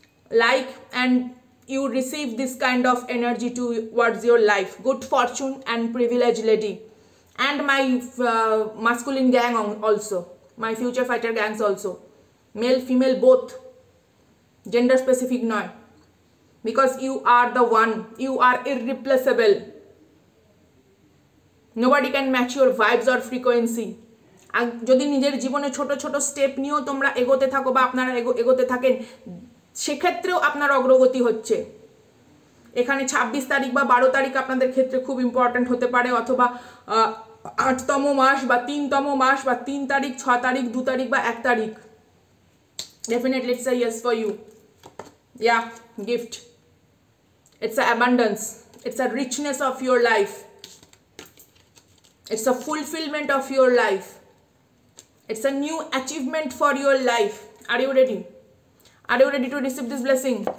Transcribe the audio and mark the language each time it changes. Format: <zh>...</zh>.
<en>Like and you receive this kind of energy towards your life, good fortune and privilege lady and my masculine gang also, my future fighter gangs also, male female both, gender specific নয়। Because you are the one, you are irreplaceable. Nobody can match your vibes or frequency.</en> <bn>আর যদি নিজের জীবনে ছোটো ছোটো step নিয়েও তোমরা এগোতে থাকো বা আপনারা এগোতে থাকেন, সেক্ষেত্রেও আপনার অগ্রগতি হচ্ছে। এখানে 26 তারিখ বা 12 তারিখ আপনাদের ক্ষেত্রে খুব ইম্পর্টেন্ট হতে পারে, অথবা 8তম মাস বা 3তম মাস বা 3 তারিখ, 6 তারিখ, 2 তারিখ বা 1 তারিখ।</bn> <en>Definitely it's a yes for you. Yeah, gift. It's an abundance. It's a richness of your life. It's a fulfillment of your life. It's a new achievement for your life. Are you ready? Are you ready to receive this blessing?</en>